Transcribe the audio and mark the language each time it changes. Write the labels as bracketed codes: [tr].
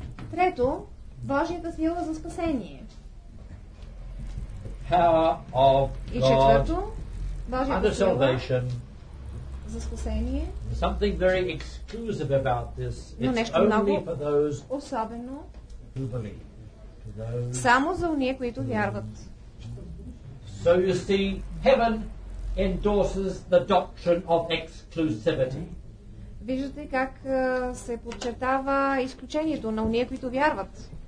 [bg] Трето, Божията сила за спасение. [en] The power of God. [bg] И четвърто, Божията сила за спасение. [en] There's something very exclusive about this. [bg] Но нещо много [en] for those [bg] особено [en] who believe, to those [bg] само за уния, които вярват. [en] So you see, heaven endorses the doctrine of exclusivity. [bg] Виждате как се подчертава изключението на уния, които вярват.